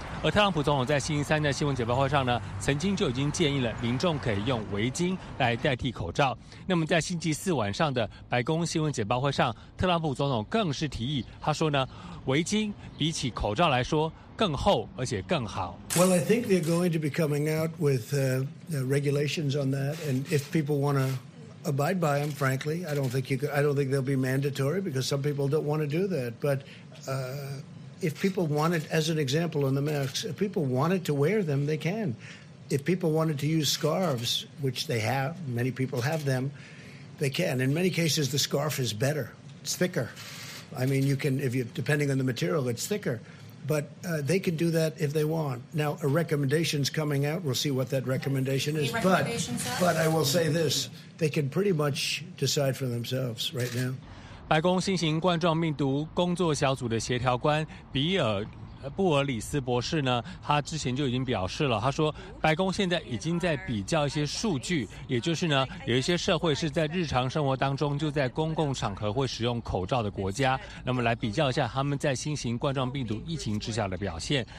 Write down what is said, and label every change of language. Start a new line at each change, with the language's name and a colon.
Chinese: 而特朗普总统在星期三的新闻简报会上呢，曾经就已经建议了民众可以用围巾来代替口罩。那么在星期四晚上的白宫新闻简报会上，特朗普总统更是提议，他说呢，围巾比起口罩来说更厚而且更好。
English: Well, I think they're going to be coming out with regulations on that, and if people want to abide by them, frankly, I don't think they'll be mandatory because some people don't want to do that, but. If people wanted, as an example on the masks, if people wanted to wear them, they can. If people wanted to use scarves, which they have, many people have them, they can. In many cases, the scarf is better. It's thicker. I mean, you can, if you, depending on the material, it's thicker. But they can do that if they want. Now, a recommendation's coming out. We'll see what that recommendation is. But I will say this. They can pretty much decide for themselves right now.
Chinese: 白宫新型冠状病毒工作小组的协调官比尔布尔里斯博士呢，他之前就已经表示了，他说白宫现在已经在比较一些数据，也就是呢，有一些社会是在日常生活当中就在公共场合会使用口罩的国家，那么来比较一下他们在新型冠状病毒疫情之下的表现。